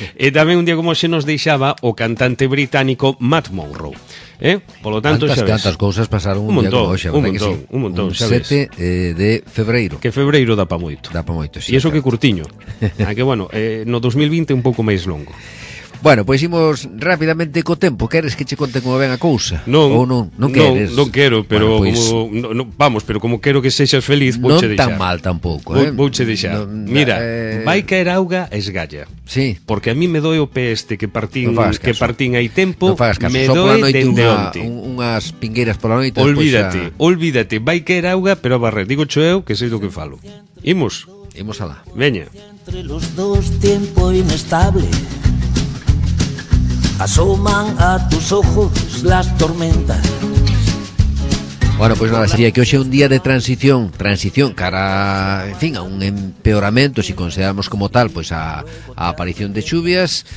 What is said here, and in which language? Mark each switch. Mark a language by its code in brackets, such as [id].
[gl] E tamén un día como hoxe nos deixaba o cantante británico Matt Monro. Polo tanto, tantas, tantas cousas pasaron un montón, día como hoxe, un montón, un 7 de febreiro. Que febreiro dá pa moito. Dá pa moito, sí. E iso que curtiño. A que bueno, no 2020 un pouco máis longo. Bueno, pois imos rapidamente co tempo. Queres que che conte como ven a cousa? Non, ou non queres? Non quero, pero bueno, pois, como, no, vamos, pero como quero que sexas feliz, vouche deixar. Non tan mal tampouco, Vouche deixar. No, mira, vai caer auga e esgalla. Sí. Porque a mí me doi o pé este que partín, que partín hai tempo. Non fagas caso, me só pola noite unhas pingueiras pola noite. Olvídate, a... olvídate, vai caer auga, pero a barrer. Digo cho eu que sei do que falo. Imos? Imos alá. Veña. [es] Entre los dos, tiempo inestable. Asoman a tus ojos las tormentas. [gl] Bueno, pois nada, sería que hoxe é un día de transición. Transición cara, en fin, a un empeoramento, se consideramos como tal, pois a aparición de chuvias.